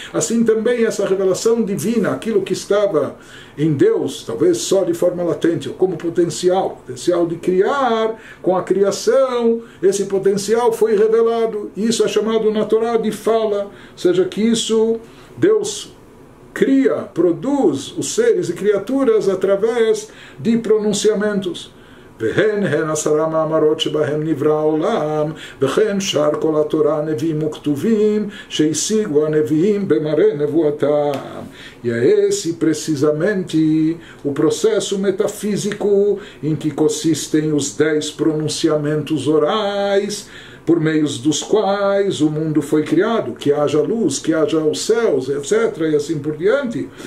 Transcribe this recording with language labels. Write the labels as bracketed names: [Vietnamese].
[Portuguese] Assim também essa revelação divina, aquilo que estava em Deus, talvez só de forma latente, ou como potencial, potencial de criar, com a criação, esse potencial foi revelado. Isso é chamado na Torá de fala, ou seja, que isso Deus cria, produz os seres e criaturas através de pronunciamentos. [Hebrew] והן הן עשרה מאמרות שבהם נברא העולם, וכן שאר כל התורה הנביאים וכתובים שהשיגו הנביאים במראה נבואתם. [Portuguese] E é esse precisamente o processo metafísico em que consistem os 10 pronunciamentos orais por meios dos quais o mundo foi criado, que haja luz, que haja os céus, etc., e assim por diante.